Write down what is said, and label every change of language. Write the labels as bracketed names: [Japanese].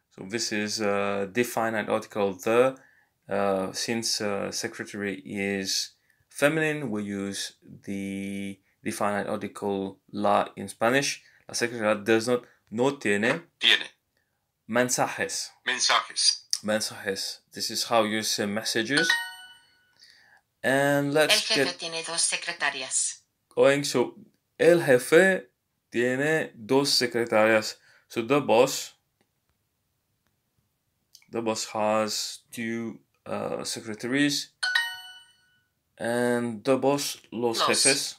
[English] So this is a definite article, the. Since secretary is feminine, we use the definite article la in Spanish. [Spanish] La secretaria [English] does not, [Spanish] no tiene. Tiene. Mensajes. Mensajes. Mensajes. [English] This is how you say messages. And let's [Spanish] El jefe [English] get... [Spanish] tiene dos secretarias. [English] Going, so [Spanish] el jefe tiene dos secretarias. [English] So the boss has two secretaries, and the boss [Spanish] los jefes.